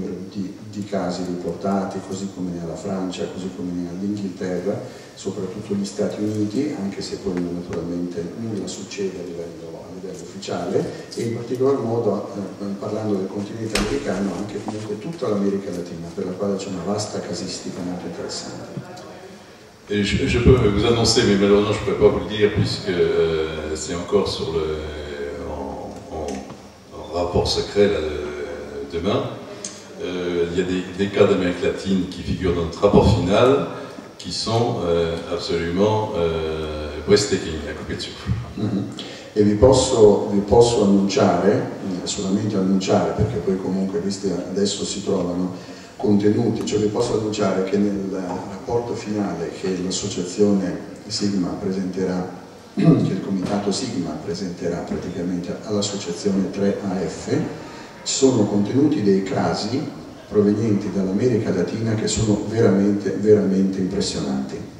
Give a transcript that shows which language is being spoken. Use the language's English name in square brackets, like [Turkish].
[Italian] di casi riportati, così come nella Francia, così come nell'Inghilterra, soprattutto gli Stati Uniti, anche se poi naturalmente nulla succede a livello ufficiale, e in particolar modo, parlando del continente americano, anche comunque tutta l'America Latina, per la quale c'è una vasta casistica molto interessante. [French] Et je peux vous annoncer, mais malheureusement je ne peux pas vous le dire puisque c'est encore sur le en rapport secret là, demain. Il y a des cas d'Amérique latine qui figurent dans notre rapport final qui sont absolument breathtaking, à couper de souffle. Mm-hmm. [Italian] E vi posso annunciare, solamente annunciare, perché poi comunque viste adesso si trovano contenuti, cioè vi posso annunciare che nel rapporto finale che l'associazione Sigma presenterà, che il comitato Sigma presenterà praticamente all'associazione 3AF, ci sono contenuti dei casi provenienti dall'America Latina che sono veramente, veramente impressionanti.